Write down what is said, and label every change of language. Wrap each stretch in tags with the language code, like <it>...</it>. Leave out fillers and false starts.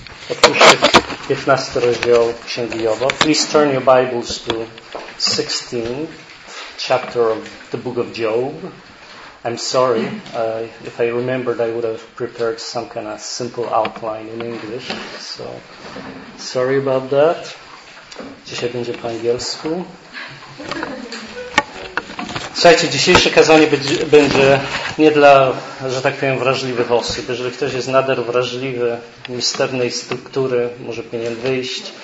<pl>Otwórzcie 15 rozdział Księgi Joba.</pl> <en>Please turn your Bibles to 16th chapter of the book of Job. I'm sorry, if I remembered I would have prepared some kind of simple outline in English. So, sorry about that.</en> <pl>Dzisiaj będzie po angielsku. Słuchajcie, dzisiejsze kazanie będzie nie dla, że tak powiem, wrażliwych osób. Jeżeli ktoś jest nader wrażliwy, misternej struktury, może powinien wyjść.</pl>